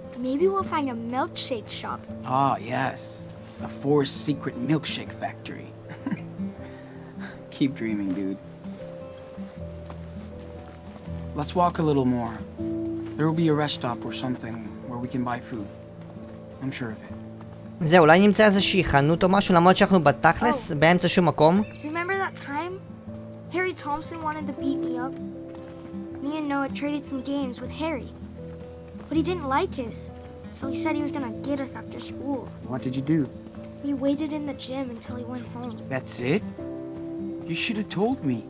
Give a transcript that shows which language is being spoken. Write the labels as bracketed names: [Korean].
[English] Maybe we'll find a milkshake shop. Ah, yes. The Forest Secret Milkshake Factory. Keep dreaming, dude. Let's walk a little more. There will be a rest stop or something where we can buy food. I'm sure of it. [Hebrew] זה, אולי נמצא איזושהי חנות או משהו, למרות שאנחנו בתכלס, באמצע שום מקום. [English] Remember that time? Harry Thompson wanted to beat me up. Me and Noah traded some games with Harry. But he didn't like us, so he said he was gonna get us after school. What did you do? We waited in the gym until he went home. That's it? You should have told me.